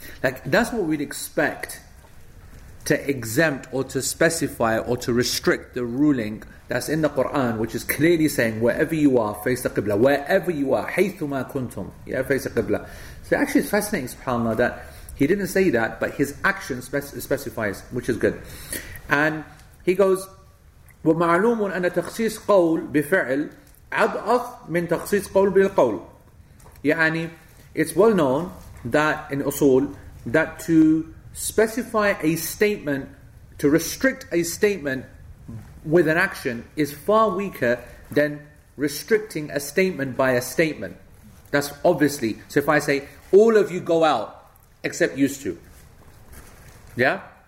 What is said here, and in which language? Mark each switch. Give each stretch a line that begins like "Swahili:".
English: Like, that's what we'd expect to exempt or to specify or to restrict the ruling that's in the Quran, which is clearly saying wherever you are, face the qibla. Wherever you are,
Arabic: haythuma kuntum,
English: yeah, face the qibla. So actually it's fascinating, subhanAllah, that he didn't say that, but his action specifies, which is good.
Arabic: And he goes, ومعلوم أن تخصيص قول بفعل أضعف من تخصيص قول بالقول. يعني,
English: it's well known that in أصول, that to specify a statement, to restrict a statement with an action, is far weaker than restricting a statement by a statement. That's obviously. So if I say, all of you go out, except used to. Yeah?